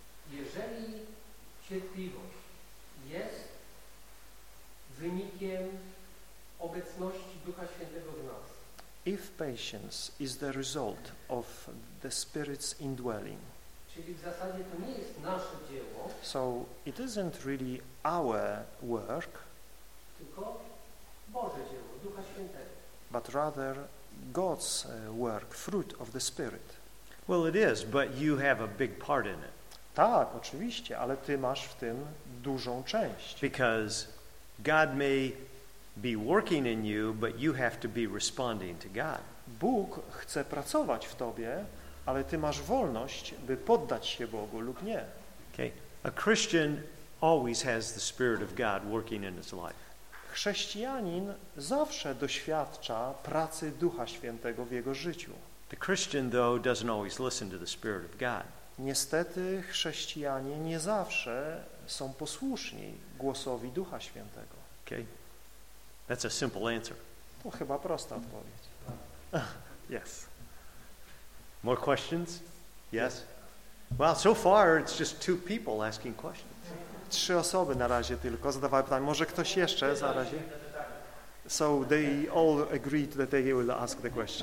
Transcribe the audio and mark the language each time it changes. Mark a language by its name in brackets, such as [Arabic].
[Polish] Jeżeli cierpliwość jest wynikiem obecności Ducha Świętego w nas. [English] If patience is the result of the Spirit's indwelling. [Polish] Czyli w zasadzie to nie jest nasze dzieło. [English] So it isn't really our work. [Polish] Tylko Boże dzieło, Ducha Świętego. [English] But rather God's work, fruit of the Spirit. Well, it is, but you have a big part in it. [Polish] Tak, oczywiście, ale ty masz w tym dużą część. [English] Because God may be working in you, but you have to be responding to God. [Polish] Bóg chce pracować w tobie, ale ty masz wolność, by poddać się Bogu lub nie. [English] Okay. A Christian always has the Spirit of God working in his life. [Polish] Chrześcijanin zawsze doświadcza pracy Ducha Świętego w jego życiu. [English] The Christian though doesn't always listen to the Spirit of God. [Polish] Niestety chrześcijanie nie zawsze są posłuszni głosowi Ducha Świętego. [English] Okay. That's a simple answer. [Polish] To chyba prosta odpowiedź. [English] Yes. More questions? Yes. Well, so far it's just two people asking questions. [Polish] Trzy osoby na razie tylko zadawały pytania. Może ktoś jeszcze za razie? [English] So they all agreed that they will ask the questions.